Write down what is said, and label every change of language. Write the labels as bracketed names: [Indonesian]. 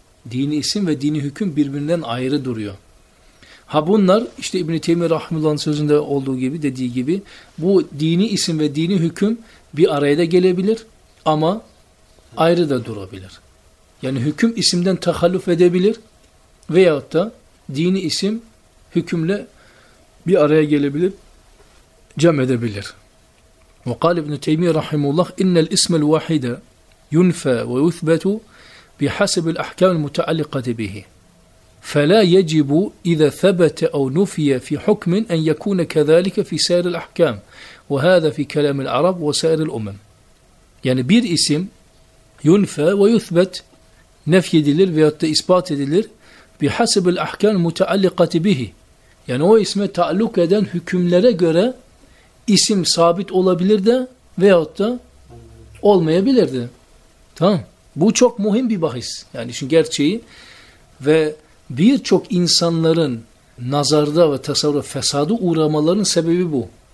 [Turkish] Dini isim ve dini hüküm birbirinden ayrı duruyor. Ha bunlar işte İbn-i Teymiye Rahimullah'ın sözünde olduğu gibi, dediği gibi bu dini isim ve dini hüküm bir araya da gelebilir ama ayrı da durabilir. Yani hüküm isimden tahalluf edebilir veyahut da dini isim hükümle bir araya gelebilir, cem edebilir. [Arabic] Ve kal İbn-i Teymiye Rahimullah innel ismel vahide yunfa ve yuthbetu بحسب الأحكام المتعلقة به فلا يجب إذا ثبت أو نفي في حكم أن يكون كذلك في سائر الأحكام وهذا في كلام العرب وسائر الأمم. يعني [Turkish] bir isim [Arabic] ينفى ويثبت [Turkish] نفي edilir veya ispat edilir [Arabic] بحسب الأحكام المتعلقة به. [Turkish] Yani o isme taalluk eden hükümlere göre isim sabit olabilir de veyahut da olmayabilir de. Tamam. Bu çok muhim bir bahis. Yani işin gerçeği ve birçok insanların nazarda ve tasavvuf fesadı uğramalarının sebebi bu.